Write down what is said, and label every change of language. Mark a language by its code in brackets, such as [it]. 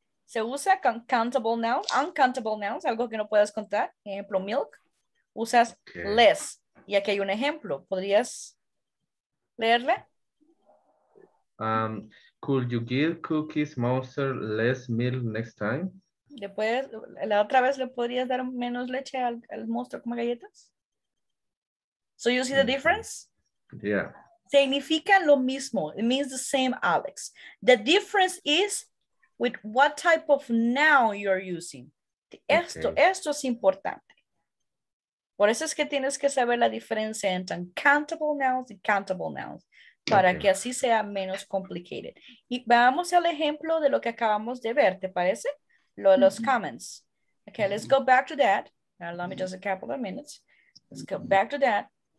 [es] Se usa con [en] countable nouns, uncountable nouns, [es] algo que no puedas contar. Ejemplo, milk. Usas less. Y aquí hay un ejemplo. ¿Podrías leerle? [en] Could you give cookies monster less milk next time? [es] Después, la otra vez le podrías dar menos leche al monstruo como galletas. [en] So you see the difference? Yeah. [es] Significa lo mismo. [en] It means the same, Alex. The difference is with what type of noun you're using. [es] Esto, okay. Esto es importante. Por eso es que tienes que saber la diferencia entre countable nouns y countable nouns, para que así sea menos complicated. Y vamos al ejemplo de lo que acabamos de ver, ¿te parece? Lo de los comments. [en] Okay, let's go back to that. Now, let me just a couple of minutes. Let's go back to that.